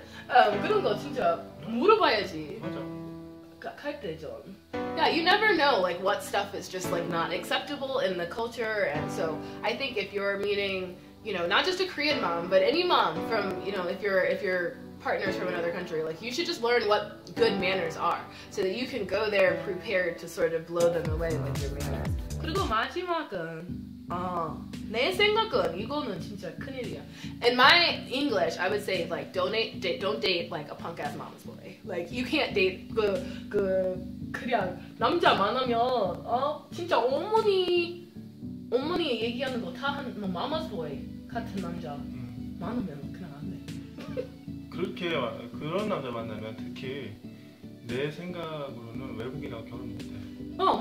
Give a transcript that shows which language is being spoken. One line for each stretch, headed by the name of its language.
Korean: 그런 거 진짜 물어봐야지. 맞아. 갈 때 좀.
English: Yeah, you never know like what stuff is just like not acceptable in the culture, and so I think if you're meeting, you know, not just a Korean mom, but any mom from, you know, if your partner's from another country, like you should just learn what good manners are, so that you can go there prepared to sort of blow them away with your manners.
Korean: 그리고 마지막은 내 생각은 이거는 진짜 큰일이야.
English: In my English, I would say like don't date like a punk ass mom's boy. Like you can't date
Korean: 그 그냥 남자 많으면 진짜 어머니 얘기하는 거 다 하는 뭐
English: mama's boy
Korean: 같은 남자 많으면 그냥 안 돼. 그렇게 그런 남자 만나면 특히 내 생각으로는 외국인하고 결혼 못 해.